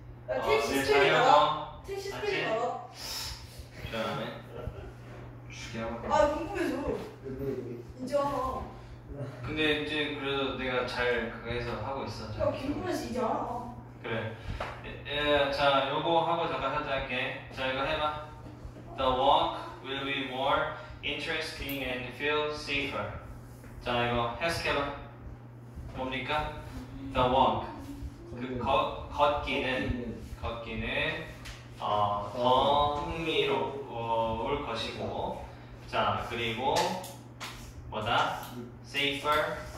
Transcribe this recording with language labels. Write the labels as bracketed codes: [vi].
[ko] 야, 택시 스토리 봐. 택시 스토리 봐. 그다음에. 아 궁금해서 이제 와. 근데 이제 그래도 내가 잘 그래서 하고 있어. 야 궁금해서 이제 와. 그래. 자 요거 하고 잠깐 하자할게. 자 이거 해봐. [en] The walk will be more interesting and feel safer. [ko] 자 이거 해석해봐. 뭡니까? The walk. 그 걷기는 더 흥미로울 것이고. 자 그리고 뭐다? safer.